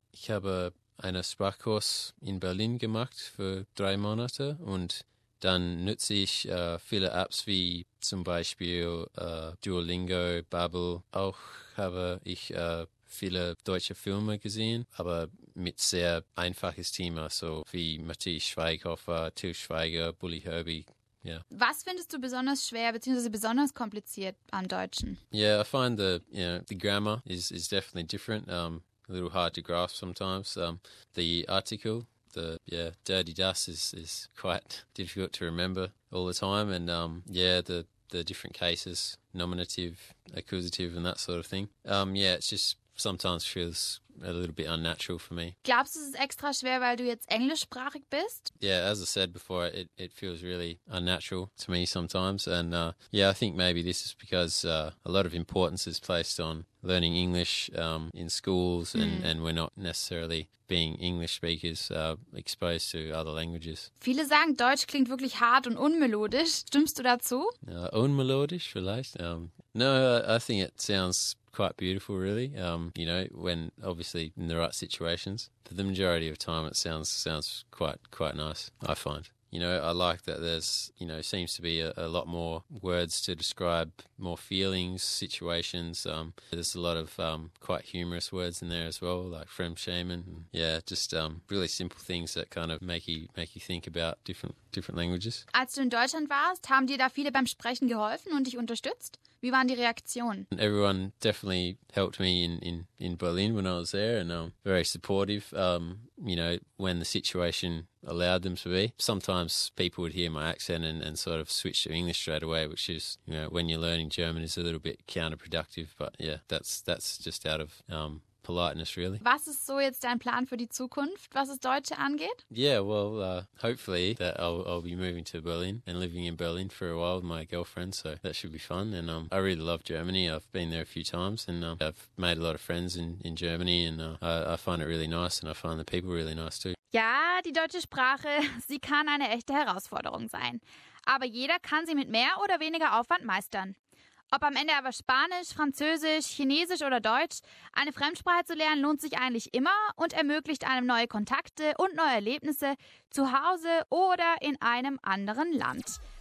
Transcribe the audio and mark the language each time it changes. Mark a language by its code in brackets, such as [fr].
[de] Ich habe einen Sprachkurs in Berlin gemacht für 3 Monate und dann nutze ich viele Apps wie zum Beispiel Duolingo, Babbel. Auch habe ich viele deutsche Filme gesehen, aber mit sehr einfaches Thema, so wie Matthias Schweighofer, Til Schweiger, Bully Herbie. [en] Yeah. [de] Was findest du besonders schwer bzw. besonders kompliziert am Deutschen? [en] Yeah, I find the grammar is definitely different. A little hard to grasp sometimes. The article, dirty das is quite difficult to remember all the time. And the different cases, nominative, accusative and that sort of thing. It's just sometimes feels a little bit unnatural for me. [de] Glaubst du, es ist extra schwer, weil du jetzt englischsprachig bist? [en] Yeah, as I said before, it feels really unnatural to me sometimes. And I think maybe this is because a lot of importance is placed on learning English in schools and we're not necessarily being English speakers exposed to other languages. [de] Viele sagen, Deutsch klingt wirklich hart und unmelodisch. Stimmst du dazu? Unmelodisch vielleicht? [en] No, I think it sounds quite beautiful, really. When obviously in the right situations. For the majority of time, it sounds quite nice, I find. You know, I like that there's, you know, seems to be a lot more words to describe more feelings, situations. There's a lot of quite humorous words in there as well, like fremdschämen. Yeah, just really simple things that kind of make you think about different languages. [de] Als du in Deutschland warst, haben dir da viele beim Sprechen geholfen und dich unterstützt? Wie waren die Reaktionen? [en] Everyone definitely helped me in Berlin when I was there and very supportive, when the situation allowed them to be. Sometimes people would hear my accent and sort of switch to English straight away, which is, you know, when you're learning German is a little bit counterproductive. But yeah, that's just out of politeness, really. [de] Was ist so jetzt dein Plan für die Zukunft, was das Deutsche angeht? [en] Yeah, well, hopefully that I'll be moving to Berlin and living in Berlin for a while with my girlfriend, so that should be fun. And I really love Germany. I've been there a few times and I've made a lot of friends in Germany and I find it really nice and I find the people really nice too. [de] Ja, die deutsche Sprache, sie kann eine echte Herausforderung sein. Aber jeder kann sie mit mehr oder weniger Aufwand meistern. Ob am Ende aber Spanisch, Französisch, Chinesisch oder Deutsch, eine Fremdsprache zu lernen lohnt sich eigentlich immer und ermöglicht einem neue Kontakte und neue Erlebnisse zu Hause oder in einem anderen Land.